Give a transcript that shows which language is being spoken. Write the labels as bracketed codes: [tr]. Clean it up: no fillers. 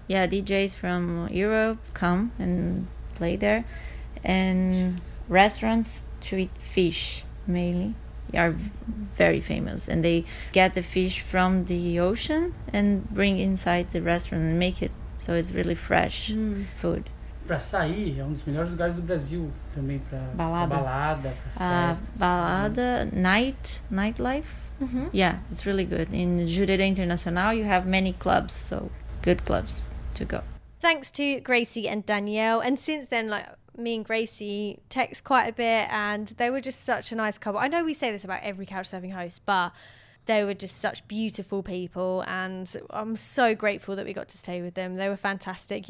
[en] Yeah, DJs from Europe come and play there. And restaurants to eat fish, mainly, are very famous. And they get the fish from the ocean and bring inside the restaurant and make it. So it's really fresh food. [pt] Pra sair, é um dos melhores lugares do Brasil também pra balada, pra festas. [en] Balada, nightlife. Mm-hmm. Yeah, it's really good. In Jurerê International, you have many clubs, so good clubs to go. Thanks to Gracie and Danielle. And since then, like, me and Gracie text quite a bit, and they were just such a nice couple. I know we say this about every Couchsurfing host, but they were just such beautiful people, and I'm so grateful that we got to stay with them. They were fantastic.